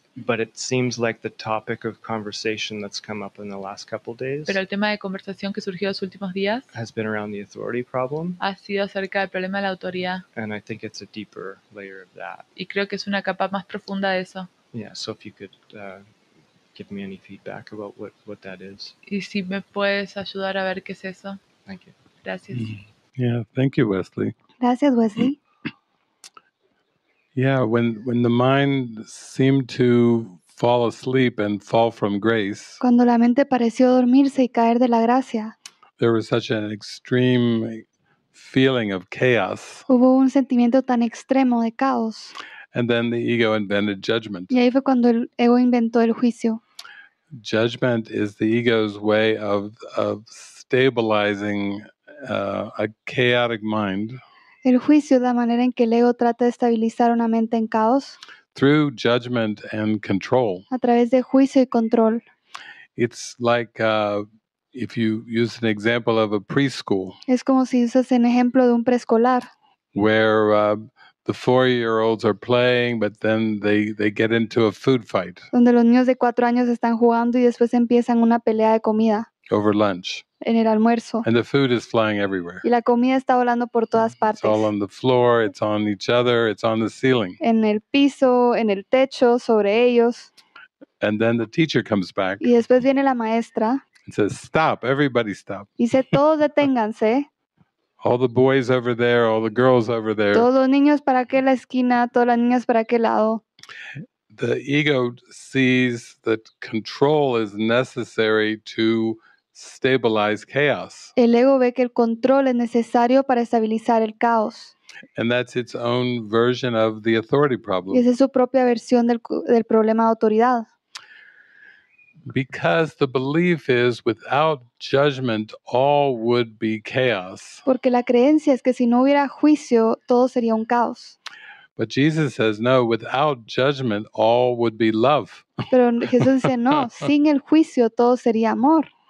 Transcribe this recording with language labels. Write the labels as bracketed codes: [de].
[en] But it seems like the topic of conversation that's come up in the last couple of days. [es] Pero el tema de conversación que surgió los últimos días [en] has been around the authority problem. [es] Ha sido acerca del problema de la autoridad. [en] And I think it's a deeper layer of that. [es] Y creo que es una capa más profunda de eso. [en] Yeah, so if you could give me any feedback about what that is. [es] Y si me puedes ayudar a ver qué es eso. [en] Thank you. [es] Gracias. [en] Yeah, thank you, Wesley. [es] Gracias, Wesley. [en] Yeah, when the mind seemed to fall asleep and fall from grace. [es] Cuando la mente pareció dormirse y caer de la gracia. [en] There was such an extreme feeling of chaos. [es] Hubo un sentimiento tan extremo de caos. [en] And then the ego invented judgment. [es] Y ahí fue cuando el ego inventó el juicio. [en] Judgment is the ego's way of stabilizing a chaotic mind. [es] El juicio es la manera en que el ego trata de estabilizar una mente en caos. [en] Through judgment and control. [es] A través de juicio y control. [en] It's like if you use an example of a preschool. [es] Es como si usas un ejemplo de un preescolar. [en] Where the 4-year-olds are playing, but then they get into a food fight. [es] Donde los niños de 4 años están jugando y después empiezan una pelea de comida. [en] Over lunch. [es] En el almuerzo. [en] And the food is flying everywhere. [es] Y la comida está volando por todas partes. [en] It's all on the floor, it's on each other, it's on the ceiling. [es] En el piso, en el techo, sobre ellos. [en] And then the teacher comes back. [es] Y después viene la maestra. [en] And says, stop, everybody stop. [es] Y dice, todos deténganse. [en] All the boys over there, all the girls over there. [es] Todos los niños para aquel la esquina, todas las niñas para aquel lado. [en] The ego sees that control is necessary to stabilize chaos. [es] El ego ve que el control es necesario para estabilizar el caos. [en] And that's its own version of the authority problem. [es] Y esa es su propia versión del problema de autoridad. [en] Because the belief is without judgment all would be chaos. [es] Porque la creencia es que si no hubiera juicio todo sería un caos. [en] But Jesus says no, without judgment all would be love. [es] Pero Jesús dice no, sin el juicio todo sería amor.